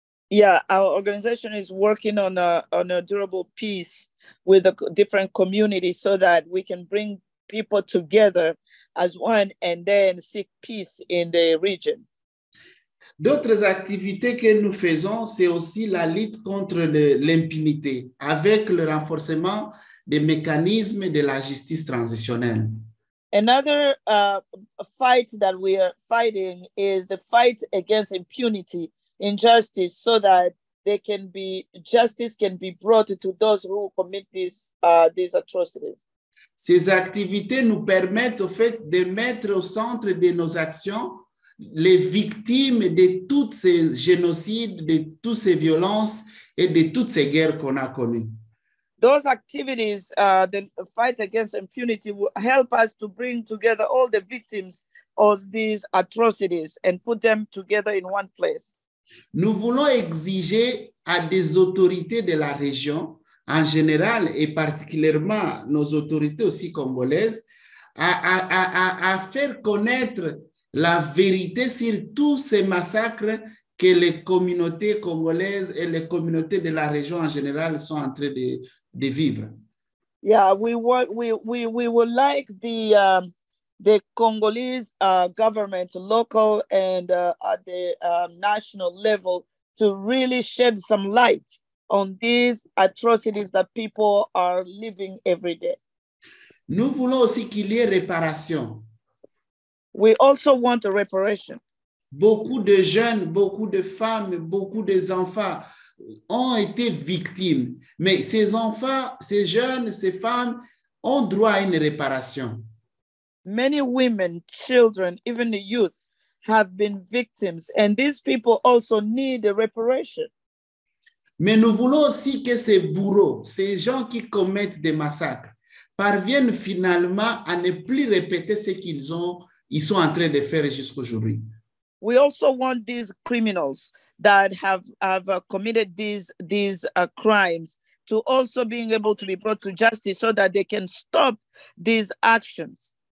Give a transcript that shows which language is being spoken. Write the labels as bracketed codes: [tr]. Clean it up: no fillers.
[en] Yeah, our organization is working on a durable peace with the different communities so that we can bring people together as one and then seek peace in the region. [fr] D'autres activités que nous faisons, c'est aussi la lutte contre l'impunité avec le renforcement des mécanismes de la justice transitionnelle. [en] Another fight that we are fighting is the fight against impunity, injustice, so that they can be justice can be brought to those who commit these atrocities. [fr] Ces activités nous permettent au fait de mettre au centre de nos actions les victimes de toutes ces génocides, de toutes ces violences et de toutes ces guerres qu'on a connues. [en] Those activities, the fight against impunity, will help us to bring together all the victims of these atrocities and put them together in one place. [fr] Nous voulons exiger à des autorités de la région, en général et particulièrement nos autorités aussi congolaises, à faire connaître la vérité sur tous ces massacres que les communautés congolaises et les communautés de la région en général sont en train de vivre. [en] Yeah, we would like the Congolese government, local and at the national level, to really shed some light on these atrocities that people are living every day. [fr] Nous voulons aussi qu'il y ait réparation. [en] We also want a reparation. [fr] Beaucoup de jeunes, beaucoup de femmes, beaucoup des enfants ont été victimes. Mais ces enfants, ces jeunes, ces femmes ont droit à une réparation. [en] Many women, children, even the youth have been victims. And these people also need a reparation. [fr] Mais nous voulons aussi que ces bourreaux, ces gens qui commettent des massacres, parviennent finalement à ne plus répéter ce qu'ils ont ils sont en train de faire jusqu'aujourd'hui. [en] We also want these criminals that have committed these crimes to also being able to be brought to justice so that they can stop these actions.